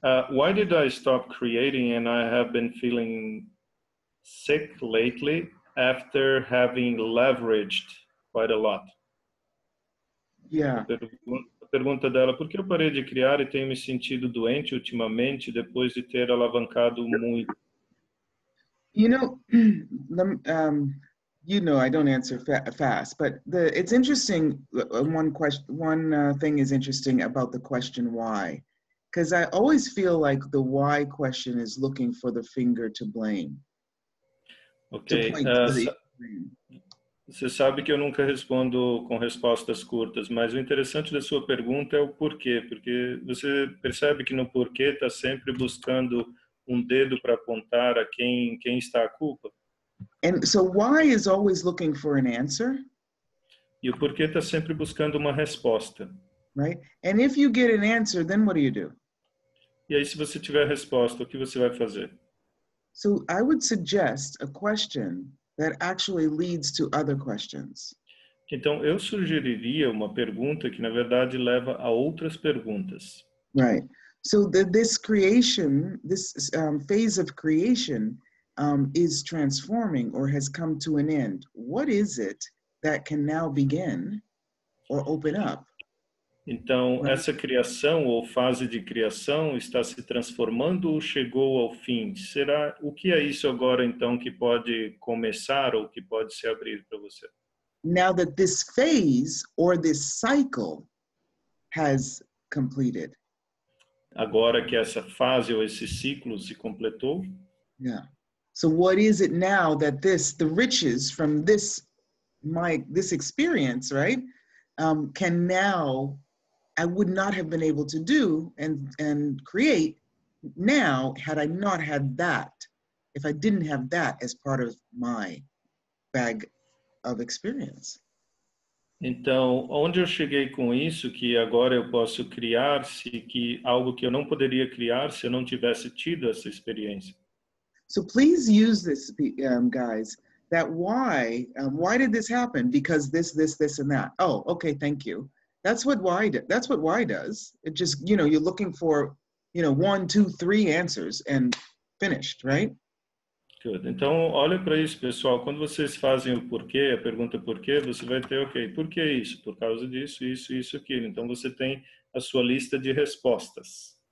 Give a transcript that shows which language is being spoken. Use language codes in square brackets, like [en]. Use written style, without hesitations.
[en] Why did I stop creating and I have been feeling sick lately after having leveraged quite a lot? Yeah. [pt] A pergunta dela, por que eu parei de criar e tenho me sentido doente ultimamente depois de ter alavancado muito? [en] You know, you know, I don't answer fast, but it's interesting. One thing is interesting about the question why, because I always feel like the why question is looking for the finger to blame. Okay. [pt] Você sabe que eu nunca respondo com respostas curtas, mas o interessante da sua pergunta é o porquê, porque você percebe que no porquê está sempre buscando um dedo para apontar a quem está a culpa. [en] And so why is always looking for an answer? [pt] E o porquê está sempre buscando uma resposta. [en] Right? And if you get an answer, then what do? [pt] E aí se você tiver a resposta, o que você vai fazer? [en] So I would suggest a question that actually leads to other questions. [pt] Então eu sugeriria uma pergunta que na verdade leva a outras perguntas. [en] Right. So this creation, this phase of creation is transforming or has come to an end. What is it that can now begin or open up? [pt] Então, right. Essa criação ou fase de criação está se transformando ou chegou ao fim? Será o que é isso agora então que pode começar ou que pode se abrir para você? [en] Now that this phase or this cycle has completed. [pt] Agora que essa fase ou esse ciclo se completou. [en] Yeah. So what is it now that this, the riches from this, my, this experience, right, can now, I would not have been able to do and create now had I not had that, if I didn't have that as part of my bag of experience. [pt] Então, onde eu cheguei com isso, que agora eu posso criar, se que algo que eu não poderia criar se eu não tivesse tido essa experiência? [en] So please use this, guys, that why did this happen? Because this, this, this, and that. Oh, okay, thank you. That's what why does. It just, you know, you're looking for, you know, 1, 2, 3 answers and finished, right? [pt] Good. Então, olha para isso, pessoal. Quando vocês fazem o porquê, a pergunta porquê, você vai ter, ok, por que isso? Por causa disso, isso, isso, aquilo. Então, você tem a sua lista de respostas.